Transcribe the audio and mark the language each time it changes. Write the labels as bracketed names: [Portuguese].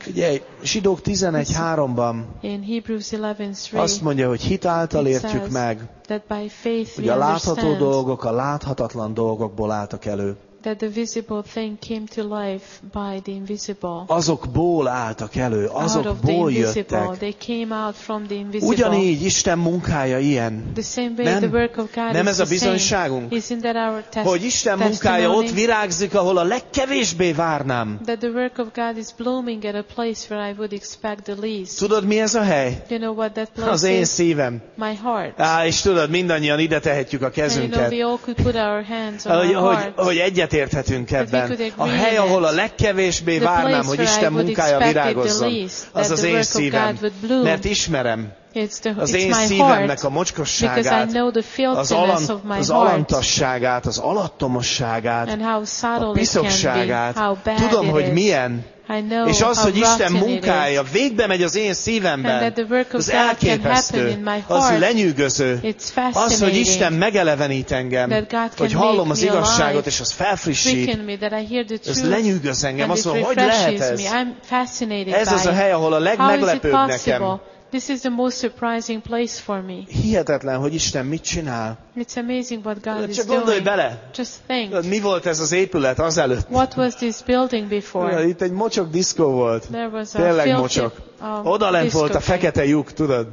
[Hungarian] Ugye, Zsidók 11:3-ban azt mondja, hogy hit által értjük meg, [English] that by faith [Hungarian] hogy a látható dolgok a láthatatlan dolgokból álltak elő. [English] That the visible thing came to life by the invisible. [Hungarian] Azokból álltak elő, azokból jöttek. [English] They came out from the invisible. [Hungarian] Ugyanígy Isten munkája ilyen. [English] The same way the work of God is. [Hungarian] Nem ez a bizonyságunk? [English] Isn't that our testimony? [Hungarian] Hogy Isten munkája ott virágzik, ahol a legkevésbé várnám. [English] That the work of God is blooming at a place where I would expect the least. [Hungarian] Tudod, mi ez a hely? [English] You know what that place is? [Hungarian] Az én szívem. [English] My heart. [Hungarian] És tudod, mindannyian ide tehetjük a kezünket. [English] And you know, we all could put our hands on our hearts. [Hungarian] Egyetérthetünk ebben. A hely, ahol a legkevésbé várnám, hogy Isten munkája virágozzon, az az én szívem, mert ismerem az én szívemnek a mocskosságát, az alantasságát, az alattomosságát, a piszokságát. Tudom, hogy milyen. És az, hogy Isten munkája végbe megy az én szívemben, az elképesztő, az lenyűgöző. Az, hogy Isten megelevenít engem, hogy hallom az igazságot, és az felfrissít, ez lenyűgöz engem. Azt mondom, hogy lehet ez? Ez az a hely, ahol a legmeglepőbb nekem. [English] This is the most surprising place for me. [Hungarian] Hihetetlen, hogy Isten mit csinál. [English] It's amazing what God is doing. [Hungarian] Csak gondolj bele. [English] Just think. [Hungarian] Mi volt ez az épület azelőtt? [English] What was this building before? [Hungarian] Itt egy mocsok diszkó volt. [English] There was a [Hungarian] tényleg [English] filthy, [Hungarian] mocsok. Oda lent volt a fekete lyuk, tudod?